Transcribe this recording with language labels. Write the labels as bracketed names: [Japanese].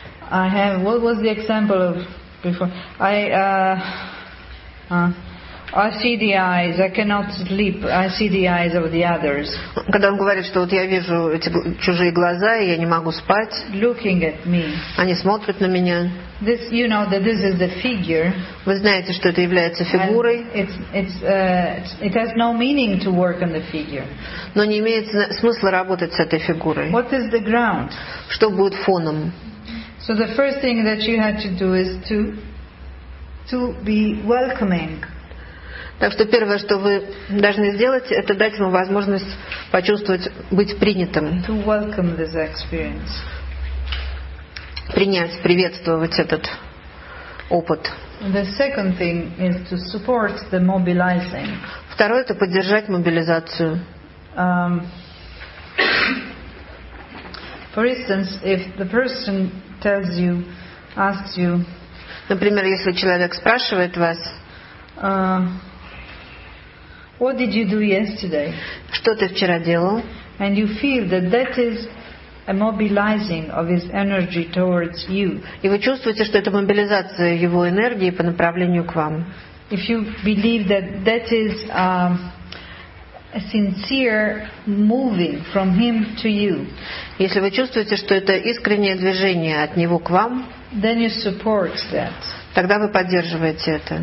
[English] I have. What was the example of before? I see the eyes. I cannot sleep. I see the eyes of the others. [Russian] Когда он говорит, что вот я вижу эти чужие глаза и я не могу спать. [English] Looking at me. [Russian] Они смотрят на меня. [English] This, you know, that this is the figure. [Russian] Вы знаете, что это является фигурой. [English] It has no meaning to work on the figure. [Russian] Но не имеет смысла работать с этой фигурой. [English] What is the ground? [Russian] Что будет фоном? [English] So the first thing that you had to do is to be welcoming. [Russian] Так что первое, что вы должны сделать, это дать ему возможность почувствовать, быть принятым. [English] To welcome this experience. [Russian] Принять, приветствовать этот опыт. [English] The second thing is to support the mobilizing. [Russian] Второе, это поддержать мобилизацию. [English] For instance, if the person tells you, asks you, [Russian] например, если человек спрашивает вас, [English] what did you do yesterday? [Russian] Что ты вчера делал? [English] And you feel that that is a mobilizing of his energy towards you. [Russian] И вы чувствуете, что это мобилизация его энергии по направлению к вам. [English] If you believe that that is a sincere moving from him to you. [Russian] Если вы чувствуете, что это искреннее движение от него к вам, [English] then you support that. [Russian] Тогда вы поддерживаете это.